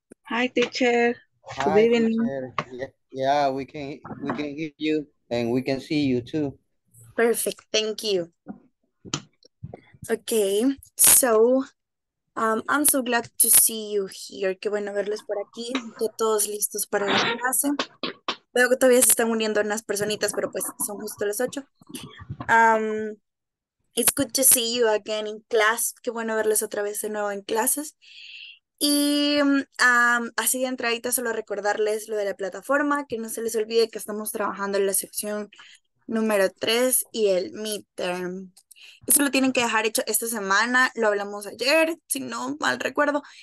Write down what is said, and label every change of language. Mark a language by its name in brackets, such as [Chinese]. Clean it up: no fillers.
[English] Hi, teacher. Good Hi, evening. teacher. Yeah, we can hear you and we can see you too. Perfect, thank you. Okay, so I'm so glad to see you here. [Spanish] Qué bueno verlos por aquí, ya todos listos para la clase. Veo que todavía se están uniendo unas personitas, pero pues son justo las 8. [English] It's good to see you again in class. [Spanish] Qué bueno verlos otra vez de nuevo en clases. Y así de entradita, solo recordarles lo de la plataforma, que no se les olvide que estamos trabajando en la sección número 3 y el midterm. Eso lo tienen que dejar hecho esta semana. Lo hablamos ayer, si no mal recuerdo.